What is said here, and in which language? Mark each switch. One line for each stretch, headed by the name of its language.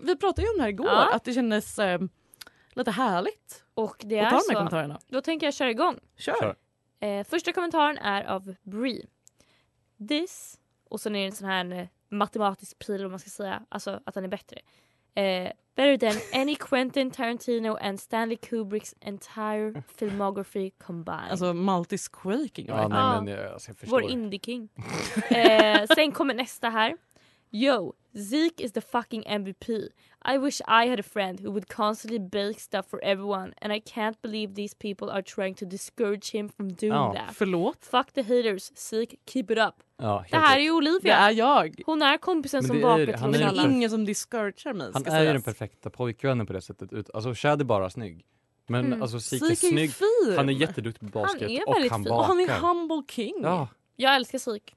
Swedish: Vi pratade ju om det här igår. Ja. Att det kändes lite härligt. Och det är så. Kommentarerna. Då tänker jag köra igång. Kör. Första kommentaren är av Brie. This. Och sen är det en sån här matematisk pil, om man ska säga. Alltså att den är bättre.
English: Better than any Quentin Tarantino and Stanley Kubricks entire filmography combined.
Swedish: Alltså Maltese quaking. Ja, right? Jag förstår. Vår indie king. sen kommer nästa här.
English: Yo, Zeke is the fucking MVP. I wish I had a friend who would constantly bake stuff for everyone and I can't believe these people are trying to discourage him from doing that.
Swedish: Förlåt.
English: Fuck the haters. Zeke, keep it up.
Swedish: Ja, det här är Olivia. Det är jag. Hon är kompisen som bakar till honom. Det är ingen som discouragerar mig. Han är ju den perfekta pojkvännen på det sättet. Alltså, Chad är bara snygg. Men alltså, Zeke är snygg. Fin. Han är jätteduktig på basket. Han är väldigt och han bakar. Och han är humble king. Ja. Jag älskar psyk.